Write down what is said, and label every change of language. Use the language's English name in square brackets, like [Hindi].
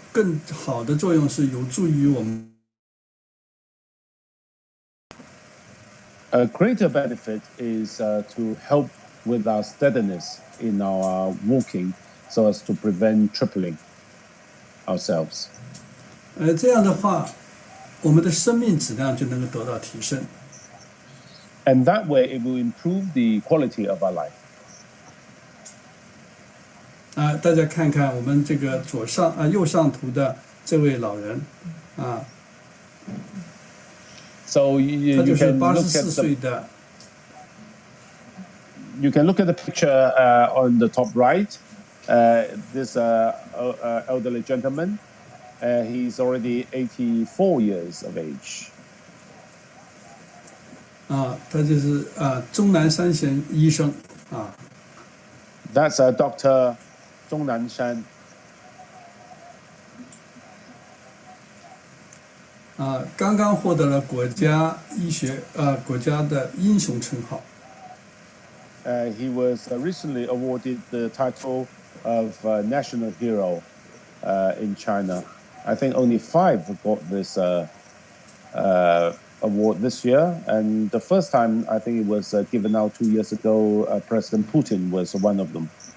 [Chinese] 更好的作用是有助于我们。 [English] A greater benefit is to help with our steadiness in our walking, so as to prevent tripping ourselves. [Chinese] 这样的话，我们的生命质量就能够得到提升。 [English] And that way, it will improve the quality of our life. [Chinese] 大家看看我们这个左上啊右上图的这位老人，啊 [English] ，So you can look at the. You can look at the picture on the top right. This elderly gentleman, he's already 84 years of age. [Chinese] 啊，他就是啊钟南山贤医生啊。 [English] That's a doctor. 钟南山 [Chinese] 啊，刚刚获得了国家医学国家的英雄称号。 [English] He was recently awarded the title of national hero in China. I think only five got this award this year. And the first time, I think it was given out 2 years ago, President Putin was one of them.